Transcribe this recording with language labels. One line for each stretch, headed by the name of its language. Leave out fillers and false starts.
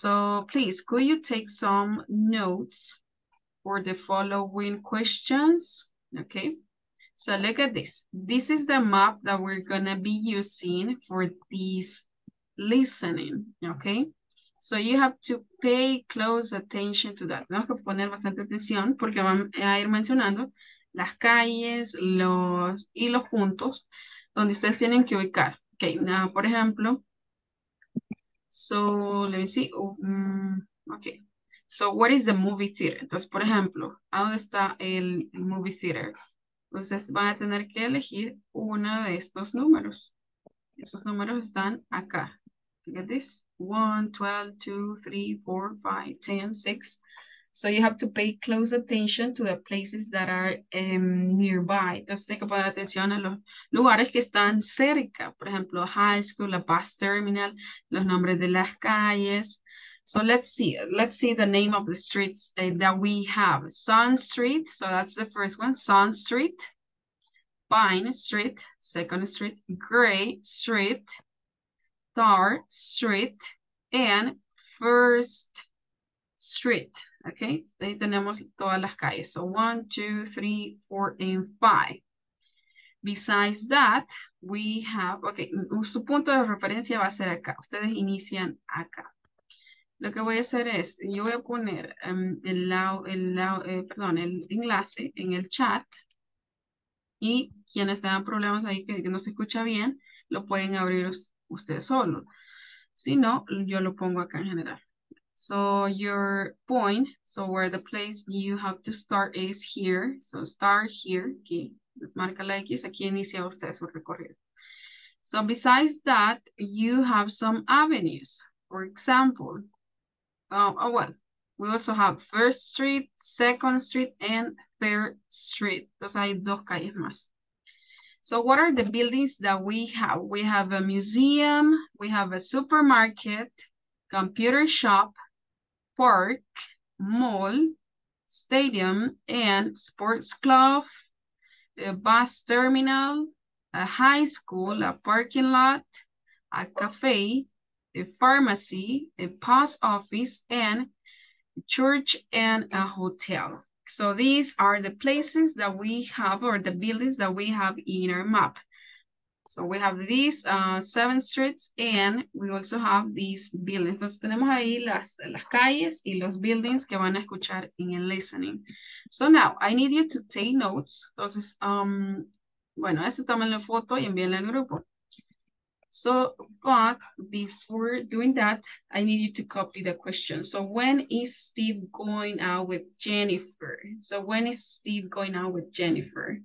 English: So please, could you take some notes for the following questions? Okay. So look at this. This is the map that we're gonna be using for this listening, okay? So you have to pay close attention to that.
Spanish: Tenemos que poner bastante atención porque van a ir mencionando las calles, los y los puntos donde ustedes tienen que ubicar.
English: Okay, now,
Spanish: por ejemplo,
English: so let me see. Okay, so where is the movie theater?
Spanish: Entonces, por ejemplo, ¿a dónde está el movie theater? Ustedes van a tener que elegir uno de estos números. Esos números están acá.
English: Look at this.
Spanish: 1, 12, 2, 3, 4, 5, 10, 6.
English: So you have to pay close attention to the places that are nearby.
Spanish: Entonces, tiene que poner atención a los lugares que están cerca. Por ejemplo, high school, la bus terminal, los nombres de las calles.
English: So let's see the name of the streets that we have. Sun Street, so that's the first one. Sun Street, Pine Street, Second Street, Gray Street, Tar Street, and First Street.
Spanish: Okay, ahí tenemos todas las calles.
English: So 1, 2, 3, 4, and 5. Besides that, we have, okay,
Spanish: su punto de referencia va a ser acá. Ustedes inician acá. Lo que voy a hacer es, yo voy a poner perdón, el enlace en el chat. Y quienes tengan problemas ahí que no se escucha bien, lo pueden abrir ustedes solo. Si no, yo lo pongo acá en general.
English: So your point, so where the place you have to start is here. So start here,
Spanish: aquí. Les marca la X, aquí inicia usted su recorrido.
English: So besides that, you have some avenues. For example, we also have First Street, Second Street, and Third Street.
Spanish: Entonces hay dos calles más.
English: So what are the buildings that we have? We have a museum, we have a supermarket, computer shop, park, mall, stadium, and sports club, a bus terminal, a high school, a parking lot, a cafe, a pharmacy, a post office, and a church and a hotel. So these are the places that we have, or the buildings that we have in our map. So we have these seven streets, and we also have these buildings.
Spanish: Entonces tenemos ahí las calles y los buildings que van a escuchar en el listening.
English: So now, I need you to take notes.
Spanish: Entonces, bueno, ese tomen la foto y envíenla al grupo.
English: So, but before doing that, I need you to copy the question. So when is Steve going out with Jennifer? So when is Steve going out with Jennifer?